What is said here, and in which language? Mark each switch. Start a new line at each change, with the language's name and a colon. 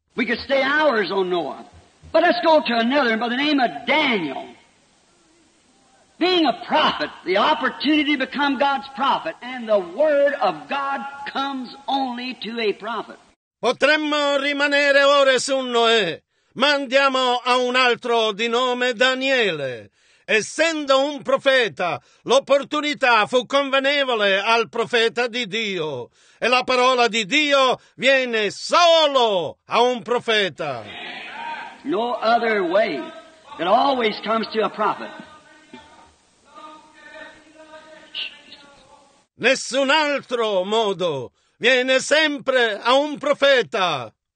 English: We could stay hours on Noah, but let's go to another by the name of Daniel. Being a prophet, the opportunity to become God's prophet, and the word of God comes only to a prophet.
Italian: Potremmo rimanere ore su Noè, ma andiamo a un altro di nome Daniele. Essendo un profeta, l'opportunità fu convenevole al profeta di Dio, e la parola di Dio viene solo a un profeta.
English: No other way. It always comes to a prophet.
Italian: Nessun altro modo, viene sempre a un profeta.